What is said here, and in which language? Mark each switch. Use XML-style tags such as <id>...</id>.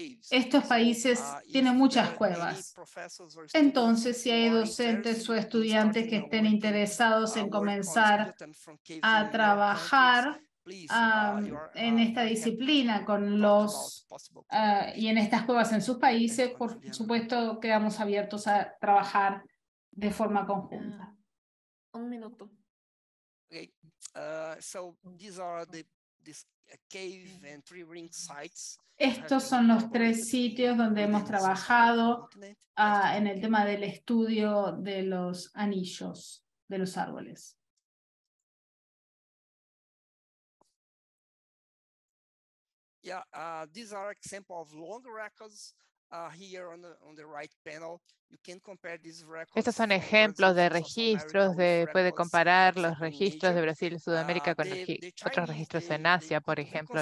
<es>Estos países tienen muchas cuevas. Entonces, si hay docentes o estudiantes que estén interesados en comenzar a trabajar en esta disciplina con los y en estas cuevas en sus países, por supuesto, quedamos abiertos a trabajar de forma conjunta. Un minuto.</es> <en>Okay. So these are this cave and tree ring sites.</en> <es>Estos son los tres sitios donde hemos trabajado en el tema del estudio de los anillos de los árboles.</es> <en>These are examples of long records. Here on the right panel, you can compare these records.</en> <es>Estos son ejemplos de registros, puede comparar los registros de Brasil y Sudamérica con otros registros en Asia, por ejemplo.</es>